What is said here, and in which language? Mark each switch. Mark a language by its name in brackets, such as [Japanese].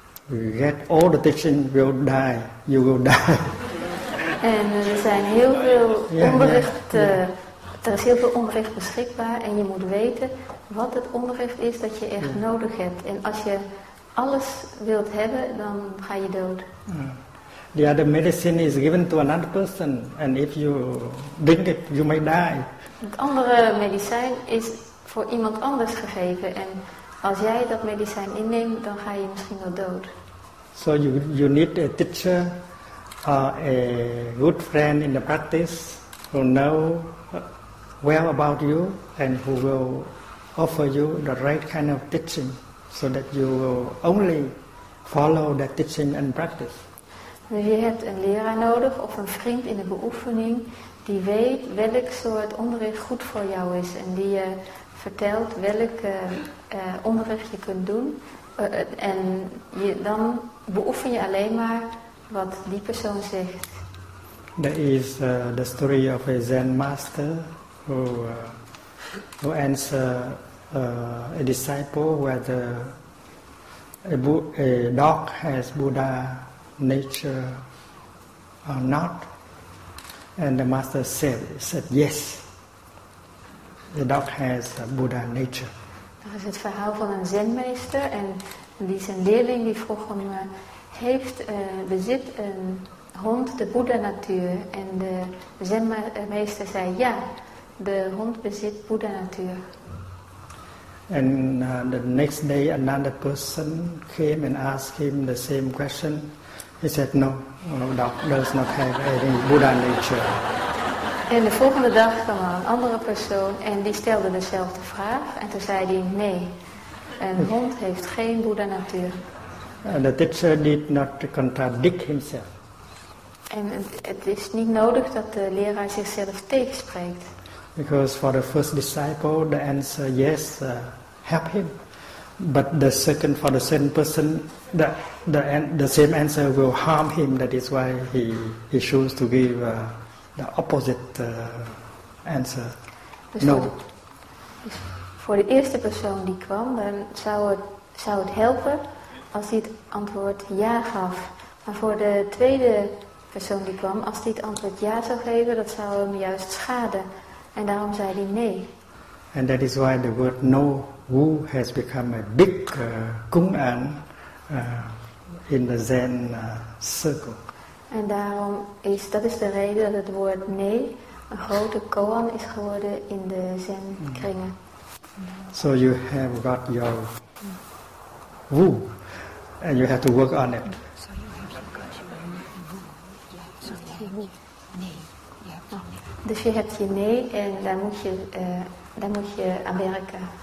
[English] get all the teaching will die, you will die. [Dutch] En er zijn heel veel onderricht, er is heel veel onderricht beschikbaar en je moet weten wat het onderricht is dat je echt nodig hebt. En als je alles wilt hebben, dan ga je dood. [English] The other medicine is given to another person and if you drink it, you may die. [Dutch] Het andere medicijn is voor iemand anders gegeven en als jij dat medicijn inneemt, dan ga je misschien wel dood. [English] So you need a teacher, a good friend in the practice who know well about you and who will offer you the right kind of teaching so that you will only follow that teaching and practice. [Dutch] Dus je hebt een leraar nodig of een vriend in de beoefening die weet welk soort onderricht goed voor jou is en die je vertelt welk onderricht je kunt doen. En je, dan beoefen je alleen maar wat die persoon zegt. [English] There is the story of a Zen master who answered a disciple whether a dog has Buddha nature or not. And the master said yes. The dog has Buddha nature. [Dutch] Dat is het verhaal van een zenmeester en die zijn leerling die vroeg hem, bezit een hond de Buddha natuur? En de zenmeester zei ja, de hond bezit Buddha natuur. [English] And the next day another person came and asked him the same question. He said no, dog does not have any Buddha nature. [Dutch] En de volgende dag kwam er een andere persoon en die stelde dezelfde vraag en toen zei hij nee, een hond heeft geen Buddha natuur. [English] The teacher did not contradict himself. [Dutch] En het is niet nodig dat de leraar zichzelf tegenspreekt. [English] Because for the first disciple the answer yes help him. But the second for the same person the same answer will harm him. That is why he chose to give the opposite answer. [Dutch] Dus [English] no. [Dutch] Voor de eerste persoon die kwam, dan zou het helpen als hij het antwoord ja gaf. Maar voor de tweede persoon die kwam, als hij het antwoord ja zou geven, dat zou hem juist schaden. En daarom zei hij nee. [English] And that is why the word no wu has become a big kung an in the Zen circle. [Dutch] En daarom is dat is de reden dat het woord nee een grote koan is geworden in de Zen kringen. [English] So you have got your wu and you have to work on it. [Dutch] Dus je hebt je nee en daar moet je aan werken.